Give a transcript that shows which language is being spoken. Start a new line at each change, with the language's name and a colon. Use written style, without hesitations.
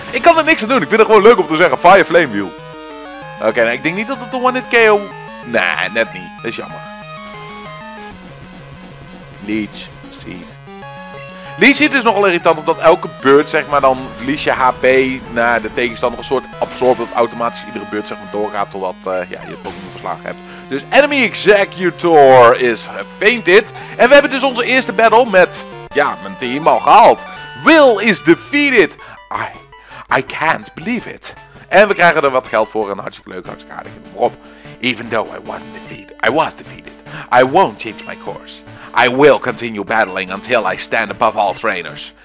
Dutch: Ik kan er niks aan doen, ik vind het gewoon leuk om te zeggen. Fire Flame Wheel. Oké, nou, ik denk niet dat het een one-hit KO... Nee, net niet. Dat is jammer. Leech Seed. Leech Seed is nogal irritant omdat elke beurt, zeg maar, dan verlies je HP naar de tegenstander. Een soort absorbeert dat automatisch iedere beurt, zeg maar, doorgaat totdat je het Pokémon verslagen hebt.
English: Dus Enemy Executor is fainted.
Dutch: En we hebben dus onze eerste battle met, ja, mijn team al gehaald.
English: Will is defeated. I can't believe it.
Dutch: En we krijgen er wat geld voor en hartstikke leuk, hartstikke aardig. Rob.
English: Even though I was defeated, I won't change my course. I will continue battling until I stand above all trainers.